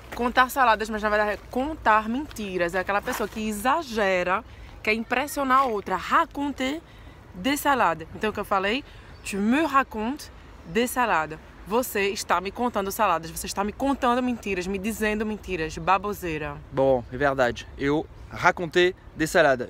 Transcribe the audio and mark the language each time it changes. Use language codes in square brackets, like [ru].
[pt] Contar saladas, mas na verdade é contar mentiras. É aquela pessoa que exagera, quer impressionar a outra. [fr] Raconter des salades. [pt] Então o que eu falei? [fr] Tu me racontes des salades. [pt] Você está me contando saladas. Você está me contando mentiras, me dizendo mentiras. Baboseira. Bom, é verdade. Eu [fr] racontei des salades.